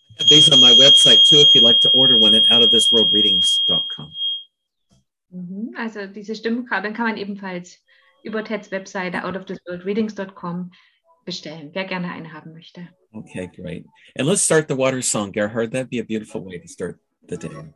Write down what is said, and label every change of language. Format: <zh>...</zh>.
<en>These on my website too, if you'd like to order one at outofthisworldreadings.com.</en> <de>Also diese Stimmkabel kann man ebenfalls über Teds Webseite outofthisworldreadings.com bestellen, wer gerne eine haben möchte.</de> <en>Okay, great. And let's start the water song, Gerhard. That'd be a beautiful way to start the day.</en>